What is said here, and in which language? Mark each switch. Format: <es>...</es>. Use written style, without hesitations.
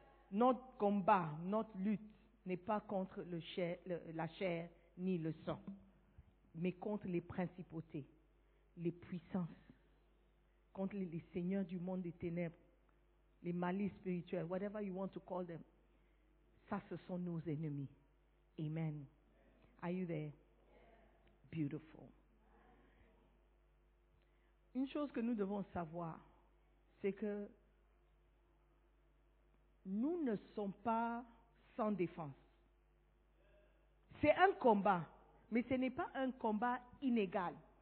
<fr>Notre combat, notre lutte n'est pas contre la chair ni le sang, mais contre les principautés, les puissances, contre les seigneurs du monde des ténèbres, les malices spirituels,</fr> <en>whatever you want to call them.</en> <fr>Ça, ce sont nos ennemis. Amen.</fr> <en>Are you there? Beautiful.</en> <fr>Une chose que nous devons savoir, c'est que nous ne sommes pas sans défense. C'est un combat, mais ce n'est pas un combat inégal.</fr>